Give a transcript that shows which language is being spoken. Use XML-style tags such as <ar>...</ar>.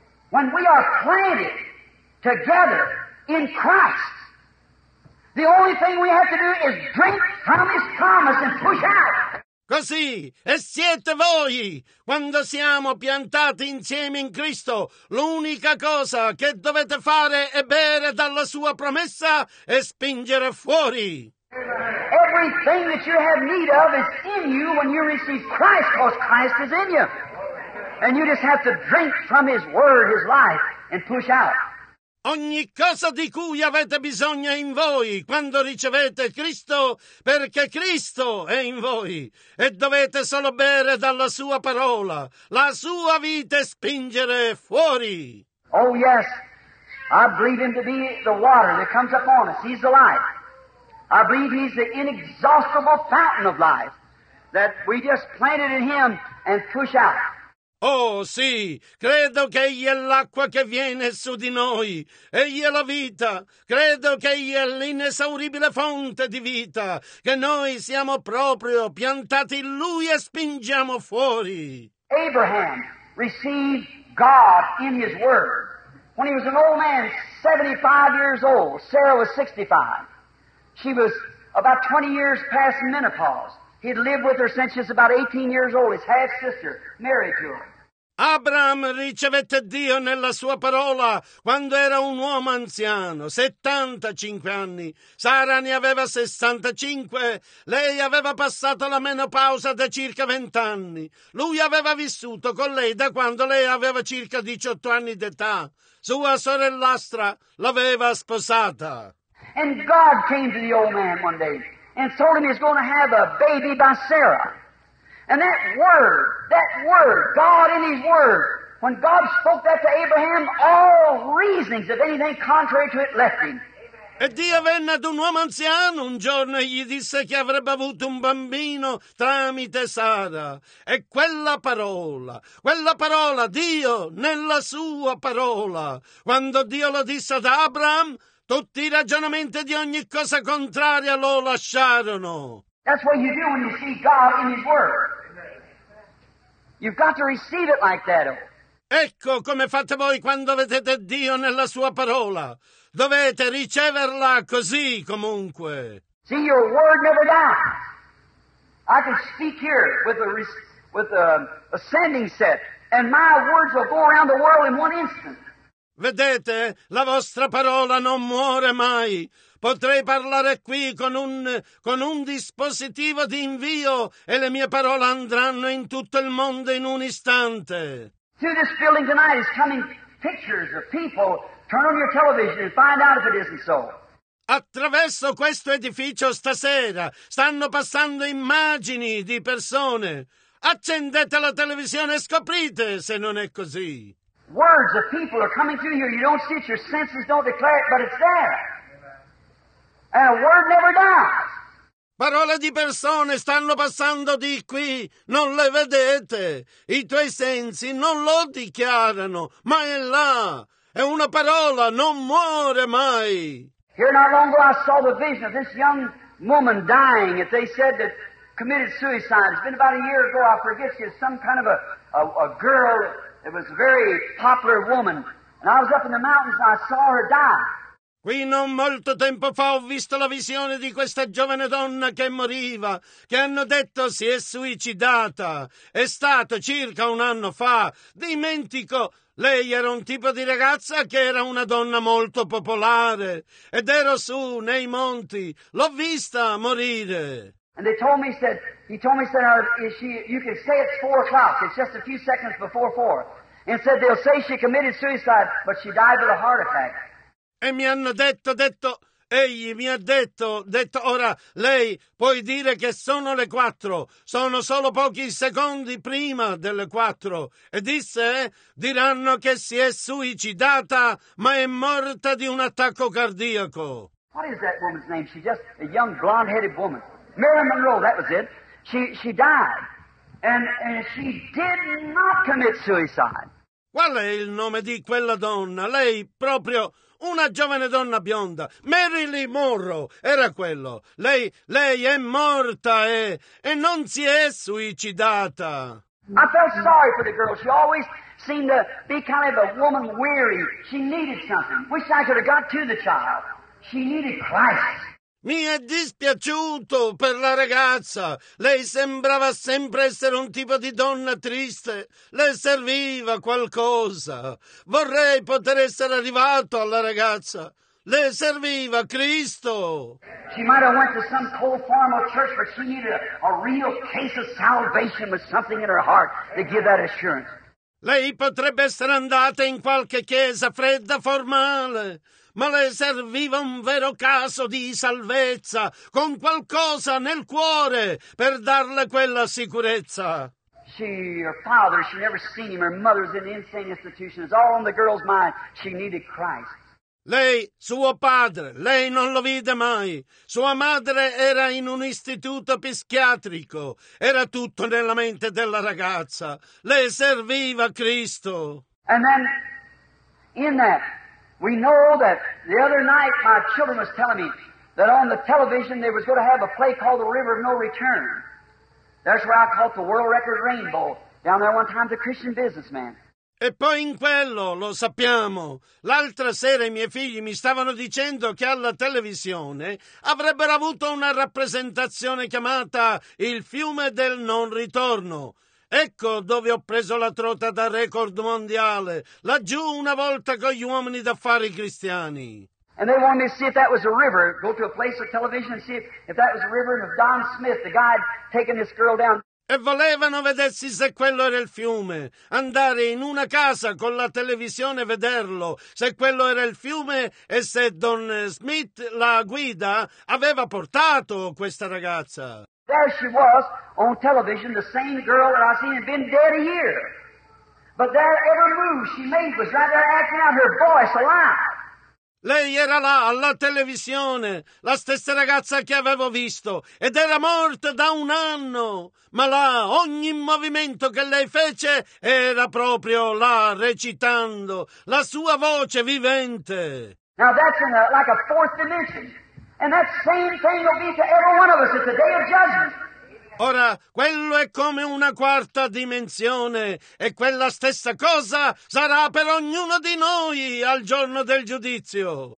<en>When we are planted together in Christ, the only thing we have to do is drink from His promise and push out.</en> <it>Così, e siete voi, quando siamo piantati insieme in Cristo, l'unica cosa che dovete fare è bere dalla Sua promessa e spingere fuori.</it> <en>Everything that you have need of is in you when you receive Christ, because Christ is in you. And you just have to drink from His Word, His life, and push out.</en> <it>Ogni cosa di cui avete bisogno in voi quando ricevete Cristo, perché Cristo è in voi e dovete solo bere dalla Sua parola, la Sua vita, e spingere fuori.</it> <en>Oh yes, I believe Him to be the water that comes upon us. He's the life. I believe He's the inexhaustible fountain of life that we just planted in Him and push out.</en> <it>Oh sì, credo che Egli è l'acqua che viene su di noi, Egli è la vita, credo che Egli è l'inesauribile fonte di vita, che noi siamo proprio piantati in Lui e spingiamo fuori.</it> <en>Abraham received God in His Word. When he was an old man, 75 years old, Sarah was 65. She was about 20 years past menopause. He'd lived with her since she was about 18 years old, his half-sister, married to her.</en> <it>Abraham ricevette Dio nella sua parola quando era un uomo anziano, 75 anni. Sara ne aveva 65. Lei aveva passato la menopausa da circa 20 anni. Lui aveva vissuto con lei da quando lei aveva circa 18 anni d'età. Sua sorellastra l'aveva sposata.</it> <en>And God came to the old man one day and told him he's going to have a baby by Sarah. And that word, God in His Word, when God spoke that to Abraham, all reasonings of anything contrary to it left him.</en> <it>E Dio venne ad un uomo anziano un giorno e gli disse che avrebbe avuto un bambino tramite Sara. E quella parola, Dio nella sua parola, quando Dio lo disse ad Abraham, tutti i ragionamenti di ogni cosa contraria lo lasciarono.</it> <en>That's what you do when you see God in His Word. You've got to receive it like that.</en> <it>Ecco come fate voi quando vedete Dio nella Sua parola. Dovete riceverla così, comunque.</it> <en>See, your word never dies. I can speak here with a sending set, and my words will go around the world in one instant.</en> <it>Vedete, la vostra parola non muore mai. Potrei parlare qui con un dispositivo di invio e le mie parole andranno in tutto il mondo in un istante.</it> <en>Through this building tonight is coming pictures of people. Turn on your television and find out if it isn't so.</en> <it>Attraverso questo edificio stasera stanno passando immagini di persone. Accendete la televisione e scoprite se non è così.</it> <en>Words of people are coming through here. You don't see it, your senses don't declare it, but it's there. And a word never dies.</en> <it>Parole di persone stanno passando di qui, non le vedete. I tuoi sensi non lo dichiarano, ma è là. E una parola non muore mai.</it> <en>Here not long ago I saw the vision of this young woman dying that they said that committed suicide. It's been about a year ago, I forget, she was some kind of a girl that was a very popular woman. And I was up in the mountains and I saw her die.</en> <it>Qui non molto tempo fa ho visto la visione di questa giovane donna che moriva, che hanno detto si è suicidata. È stato circa un anno fa. Dimentico, lei era un tipo di ragazza che era una donna molto popolare. Ed ero su, nei monti. L'ho vista morire.</it> <en>And they told me, he told me, is she, you can say it's 4 o'clock. It's just a few seconds before 4. And said, they'll say she committed suicide, but she died with a heart attack.</en> <it>E mi hanno detto, egli mi ha detto, ora lei puoi dire che sono le 4, sono solo pochi secondi prima delle 4. E disse, diranno che si è suicidata, ma è morta di un attacco cardiaco.</it> <en>What is that woman's name? She's just a young blonde-headed woman. Marilyn Monroe, that was it. She died. And she did not commit suicide.</en> <it>Qual è il nome di quella donna? Lei proprio una giovane donna bionda, Marilyn Monroe, era quello. Lei è morta e non si è suicidata.</it> <en>I felt sorry for the girl. She always seemed to be kind of a woman weary. She needed something. Wish I could have got to the child. She needed Christ.</en> <it>Mi è dispiaciuto per la ragazza. Lei sembrava sempre essere un tipo di donna triste. Le serviva qualcosa. Vorrei poter essere arrivato alla ragazza. Le serviva Cristo.</it> <en>She might have went to some cold formal church, but she needed a real case of salvation with something in her heart to give that assurance.</en> <it>Lei potrebbe essere andata in qualche chiesa fredda formale, ma le serviva un vero caso di salvezza, con qualcosa nel cuore per darle quella sicurezza.</it> <en>She, her father, she never seen him. Her mother was in the insane institution. It's all on the girl's mind. She needed Christ.</en> <it>Lei, suo padre, lei non lo vide mai. Sua madre era in un istituto psichiatrico. Era tutto nella mente della ragazza. Le serviva Cristo.</it> <en>And then, in that, we know that the other night my children was telling me that on the television they was going to have a play called The River of No Return. That's where I caught the world record rainbow down there one time, the Christian businessman.</en> <it>E poi in quello, lo sappiamo, l'altra sera i miei figli mi stavano dicendo che alla televisione avrebbero avuto una rappresentazione chiamata Il fiume del non ritorno. Ecco dove ho preso la trota da record mondiale, laggiù una volta con gli uomini d'affari cristiani.</it> <en>And they wanted me to see if that was a river, go to a place of television and see if that was a river, and if Don Smith, the guy, taking this girl down.</en> <it>E volevano vedersi se quello era il fiume, andare in una casa con la televisione, vederlo, se quello era il fiume e se Don Smith, la guida, aveva portato questa ragazza.</it> <en>There she was on television, the same girl that I seen had been dead a year. But there every move she made was right there acting out her voice alive.</en> <it>Lei era là, alla televisione, la stessa ragazza che avevo visto, ed era morta da un anno. Ma là, ogni movimento che lei fece era proprio là, recitando, la sua voce vivente.</it> <en>Now that's in a, like a fourth dimension. And that same thing will be to every one of us at the day of judgment.</en> <it>Ora, quello è come una quarta dimensione, e quella stessa cosa sarà per ognuno di noi al giorno del giudizio.</it>